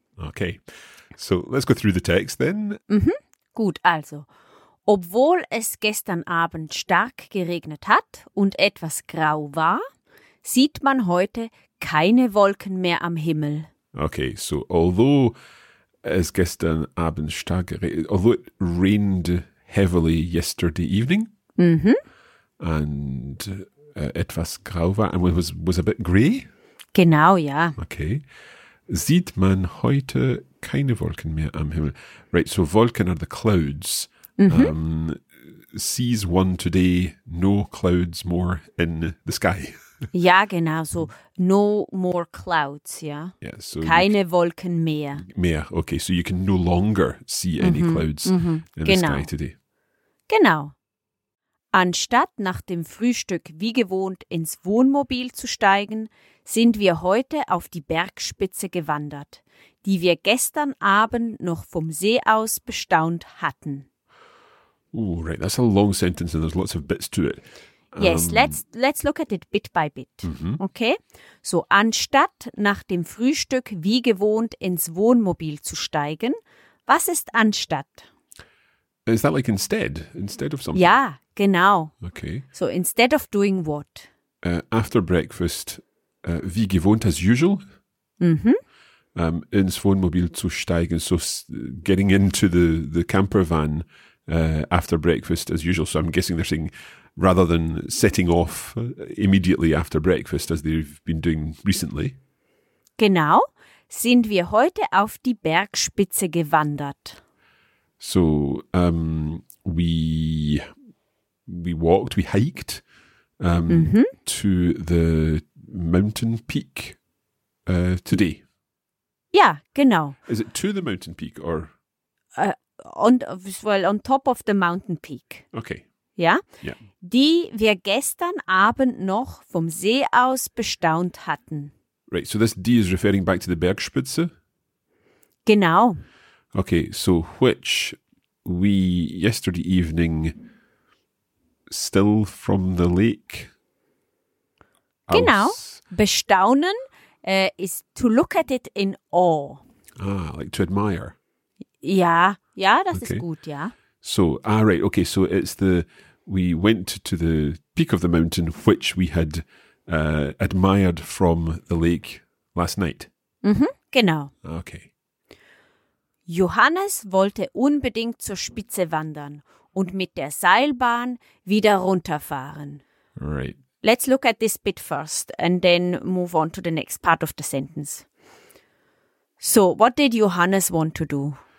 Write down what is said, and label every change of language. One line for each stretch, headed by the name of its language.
English: Okay, so let's go through the text then.
German: Mhm. Gut, also. Obwohl es gestern Abend stark geregnet hat und etwas grau war, sieht man heute keine Wolken mehr am Himmel.
English: Okay, so although
German: es gestern Abend stark geregnet,
English: although it rained heavily yesterday evening. Mhm. And
German: etwas grau war
English: and was a bit grey?
German: Genau, ja.
English: Okay.
German: Sieht man heute keine Wolken mehr am Himmel.
English: Right, so Wolken are the clouds. Mm-hmm. Sees one today, no clouds more in the sky.
German: Ja, genau,
English: so no more clouds, ja. Yeah, so
German: keine Wolken mehr.
English: Mehr, okay, so you can no longer see any clouds in
German: genau.
English: the sky today.
German: Genau. Anstatt nach dem Frühstück wie gewohnt ins Wohnmobil zu steigen, sind wir heute auf die Bergspitze gewandert, die wir gestern Abend noch vom See aus bestaunt hatten.
English: Oh, right. That's a long sentence and there's lots of bits to it. Yes, let's look at it bit by bit. Mm-hmm. Okay?
German: So, anstatt nach dem Frühstück wie gewohnt ins Wohnmobil zu steigen, was ist anstatt?
English: Is that like instead? Instead of something?
German: Ja, genau.
English: Okay. So, instead of doing what? After breakfast,
German: wie gewohnt
English: as usual. Mm-hmm.
German: Ins Wohnmobil zu steigen.
English: So, getting into the camper van. After breakfast, as usual. So I'm guessing they're saying, rather than setting off immediately after breakfast, as they've been doing recently.
German: Genau, sind wir heute auf die Bergspitze gewandert.
English: So we walked, we hiked to the mountain peak today.
German: Ja, genau.
English: Is it to the mountain peak or? On top of the mountain peak. Okay.
German: Ja? Ja. Die wir gestern Abend noch vom See aus bestaunt hatten.
English: Right, so this D is referring back to the Bergspitze?
German: Genau.
English: Okay, so which we yesterday evening still from the lake?
German: Genau.
English: Bestaunen is to look at it in awe. Ah, like to admire.
German: Ja. Ja, das okay. ist gut, ja.
English: So, right, okay, so it's we went to the peak of the mountain, which we had admired from the lake last night.
German: Mhm, genau.
English: Okay.
German: Johannes wollte unbedingt zur Spitze wandern und mit der Seilbahn wieder runterfahren.
English: Right. Let's look at this bit first and then move on to the next part of the sentence. So, what did Johannes want to do?